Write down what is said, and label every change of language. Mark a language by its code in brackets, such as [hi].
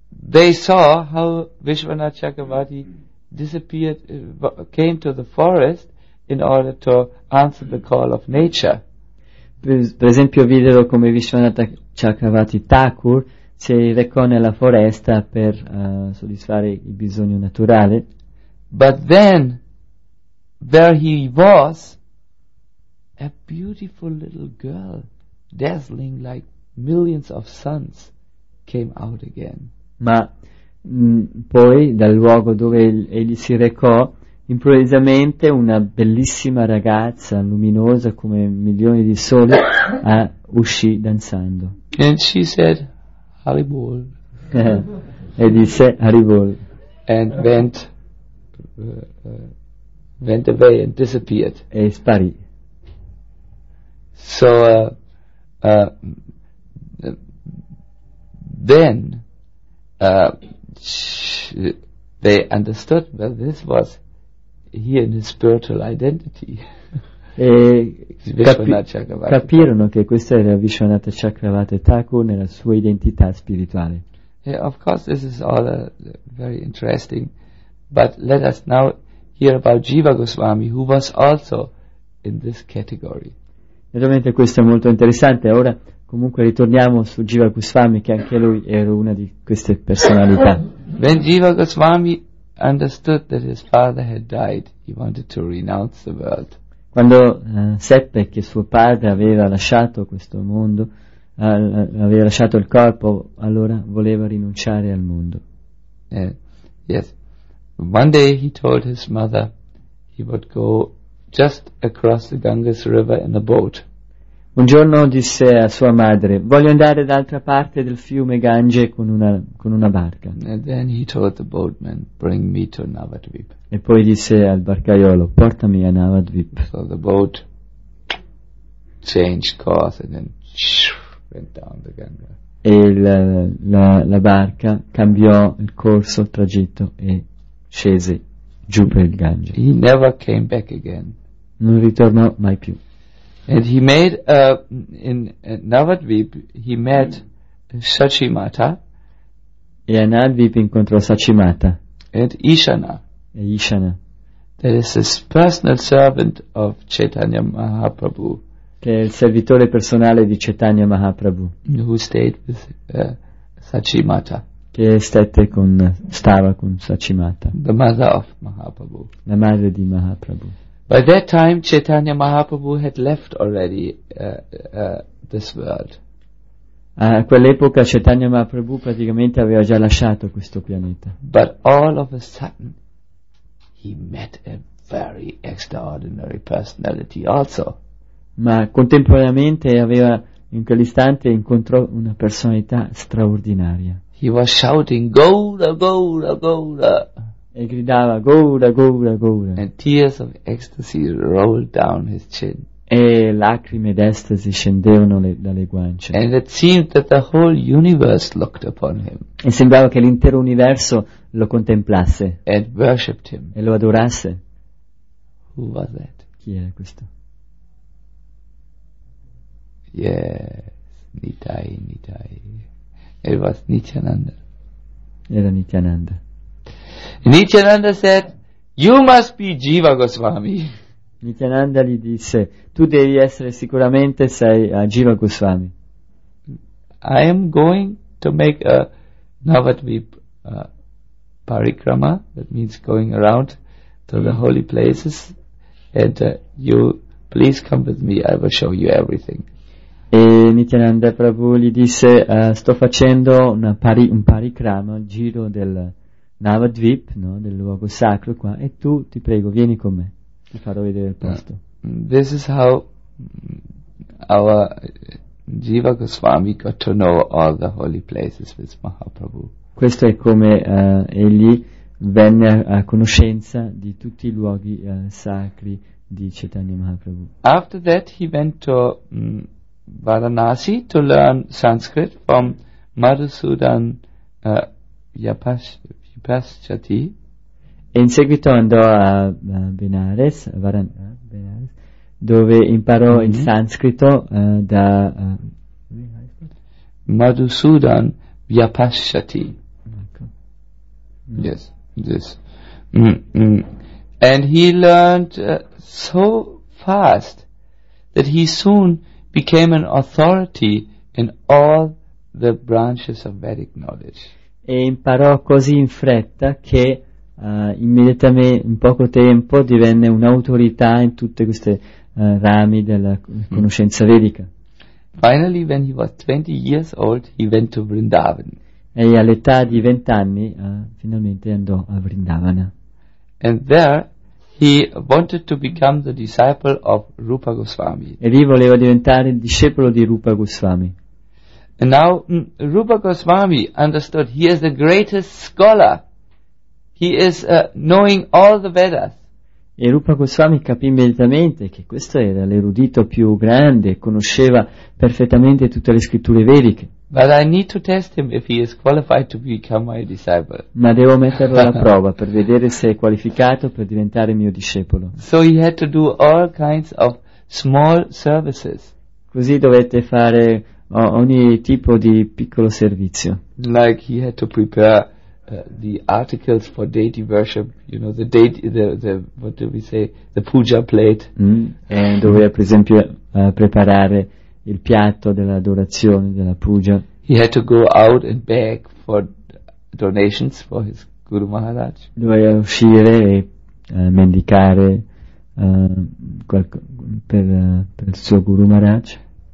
[en] They saw how Vishwanatha Chakravarti disappeared, came to the forest in order to answer the call of nature. [it] Per esempio, videro come Vishwanatha Chakravarti Thakur si recò nella foresta per soddisfare il bisogno naturale. [en] But then, there he was, a beautiful little girl, dazzling like millions of suns, came out again. [it] Ma poi, dal luogo dove egli si recò, improvvisamente una bellissima ragazza luminosa come milioni di soli uscì danzando. [en] And she said, Haribol. [it] E disse Haribol. [en] And went away and disappeared. [it] E sparì. [en] So then they understood, well, this was here in his spiritual identity. [it] E capirono che questo era Vishwanatha Chakravarti Thakur nella sua identità spirituale. [en] Yeah, of course this is all very interesting, but let us now hear about Jiva Goswami, who was also in this category. [it] Naturalmente questo è molto interessante. Ora comunque ritorniamo su Jiva Goswami, che anche lui era una di queste personalità. [en] When Jiva Goswami understood that his father had died, he wanted to renounce the world. [it] Quando seppe che suo padre aveva lasciato questo mondo, aveva lasciato il corpo, allora voleva rinunciare al mondo. [en] Yes. One day he told his mother he would go just across the Ganges River in a boat. [it] Un giorno disse a sua madre, voglio andare dall'altra parte del fiume Gange con una barca. [en] And then he told the boatman, bring me to Navadvip. [it] E poi disse al barcaiolo, portami a Navadvip. [en] So the boat changed course and then went down the Ganga. [it] E la barca cambiò il corso, il tragitto e scese giù per il Gange. [en] He never came back again. [it] Non ritornò mai più. [en] And he made in Navadvip he met Sachimata. [it] E a Navadvip incontrò Sachimata. [en] And Ishana. [it] E Ishana. [en] That is his personal servant of Chaitanya Mahaprabhu. [it] Che è il servitore personale di Chaitanya Mahaprabhu. [en] Who stayed with Sachimata. [it] Che stava con Sachimata. [en] The mother of Mahaprabhu. [it] La madre di Mahaprabhu. [en] By that time, Chaitanya Mahaprabhu had left already this world. [it] A quell'epoca Chaitanya Mahaprabhu praticamente aveva già lasciato questo pianeta. [en] But all of a sudden, he met a very extraordinary personality also. [it] Ma contemporaneamente aveva in quell'istante incontrò una personalità straordinaria. [en] He was shouting, Gaura, Gaura, Gaura. [it] E gridava Gaura, Gaura, Gaura. [en] And tears of ecstasy rolled down his chin. [it] E lacrime d'estasi scendevano dalle guance. [en] And it seemed that the whole universe looked upon him. [it] E sembrava che l'intero universo lo contemplasse. [en] And worshipped him. [it] E lo adorasse. [en] Who was that? [it] Chi era questo? [en] Yes, Nitai, Nitai. It was Nityananda. [it] Era Nityananda. [en] Nityananda said, "You must be Jiva Goswami." [it] Nityananda gli disse, "Tu devi essere sicuramente sei Jiva Goswami." [en] I am going to make a Navadvip parikrama, that means going around to the holy places, and you please come with me. I will show you everything. [it] E Nityananda Prabhu gli disse, "Sto facendo un parikrama, il giro del Navadvip, no, del luogo sacro qua, e tu ti prego vieni con me, ti farò vedere il posto." [en] This is how our Jiva Goswami got to know all the holy places with Mahaprabhu. [it] Questo è come egli venne a conoscenza di tutti i luoghi sacri di Chaitanya Mahaprabhu. [en] After that he went to Varanasi to learn Sanskrit from Madhusudan Vipassati. [it] E in seguito andò a Benares, Benares, dove imparò il sanscrito da [en] Madhusudan Vipassati. Yes, this. And he learned so fast that he soon became an authority in all the branches of Vedic knowledge. [it] E imparò così in fretta che immediatamente, in poco tempo, divenne un'autorità in tutte queste rami della conoscenza vedica. [en] Finally, when he was 20 years old, he went to Vrindavan. [it] E all'età di 20 anni finalmente andò a Vrindavana. [en] And there he wanted to become the disciple of Rupa Goswami. [it] E lì voleva diventare il discepolo di Rupa Goswami. [en] And now Rupa Goswami understood he is the greatest scholar. He is knowing all the Vedas. [it] E Rupa Goswami capì immediatamente che questo era l'erudito più grande, conosceva perfettamente tutte le scritture vediche. [en] But I need to test him if he is qualified to become my disciple. [it] Ma devo metterlo alla prova per vedere se è qualificato per diventare mio discepolo. [en] So he had to do all kinds of small services. [it] Così dovette fare ogni tipo di piccolo servizio. [en] Like he had to prepare the articles for deity worship, you know, the puja plate. [it] E doveva per esempio preparare il piatto dell'adorazione, della puja. [en] He had to go out and beg for donations for his Guru Maharaj. [it] Doveva uscire e mendicare per il suo Guru Maharaj.